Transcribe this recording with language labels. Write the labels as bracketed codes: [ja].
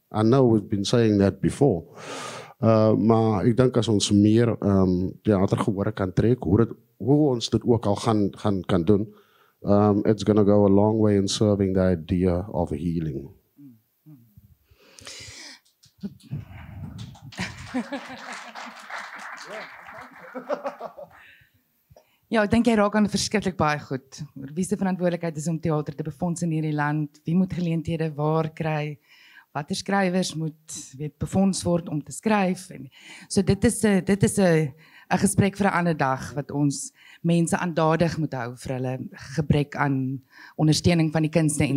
[en] I know we've been saying that before. [af] Maar ek dink as ons meer theater gehoor kan trek, hoe ons dit ook al gaan kan doen, [en] it's going to go a long way in serving the idea of healing. [af] Ja, ek dink jy raak aan verskriklik baie goed. Wie se verantwoordelikheid is om theater te befonds in hierdie land? Wie moet geleenthede waar kry? Watter skrywers moet befonds word om te skryf? So dit is 'n gesprek vir 'n ander dag wat ons mense aandadig moet hou vir hulle gebrek aan ondersteuning van die kunste en